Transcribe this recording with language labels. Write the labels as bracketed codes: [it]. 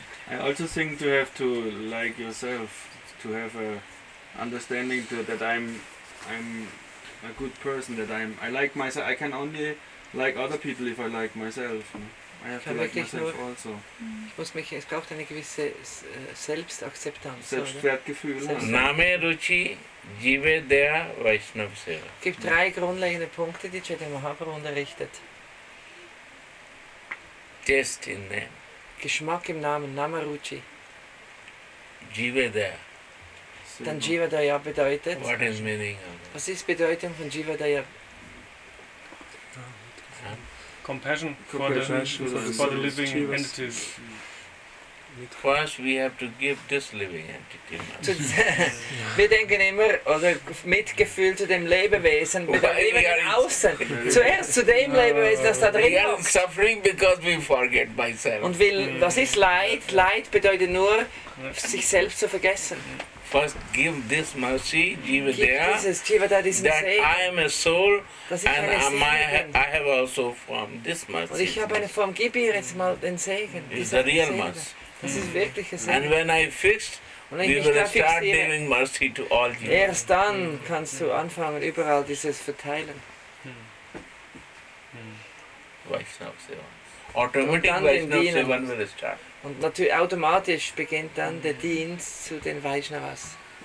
[en] I also think to have to like yourself, to have a understanding that I'm a good person, that I like myself. I can only like other people if I like myself. I have to like myself also. [de] Ich muss mich, es braucht eine gewisse Selbstakzeptanz. Selbstwertgefühl. [bn] Name, Ruchi, Jive, Deha, Vaishnava, Seva. [de] Es gibt drei grundlegende Punkte, die Chaitanya Mahaprabhu unterrichtet. [en] Taste in name. [de] Geschmack im Namen, Name, Ruchi. [bn] Jive, Deha. [de] Dann Jiva Daya bedeutet. [en] What is meaning? [de] Was ist Bedeutung von Jiva Daya? [en] Compassion for the living entities. First we have to give this living entity. [de] Wir denken immer oder Mitgefühl zu dem Lebewesen, mit dem Leben außen. Zuerst zu dem Lebewesen, das da drin ist. [en] We are suffering because we forget myself. [de] Und will, was ist Leid? Leid bedeutet nur, sich selbst zu vergessen. [en] First, give this mercy, Jiva Daya, that I am a soul and I have also formed this mercy. [de] Und ich habe eine Form, gib ihr jetzt mal den Segen. [en] It's the real mercy. [de] Das ist wirkliche Segen. [en] And when I fixed, we will start giving mercy to all you. [de] Erst dann kannst du anfangen, überall dieses verteilen. [en] Vaishnava Seva. Automatisch Vaishnava Seva will start. [de] Und natürlich automatisch beginnt dann der Dienst zu den Vaishnavas.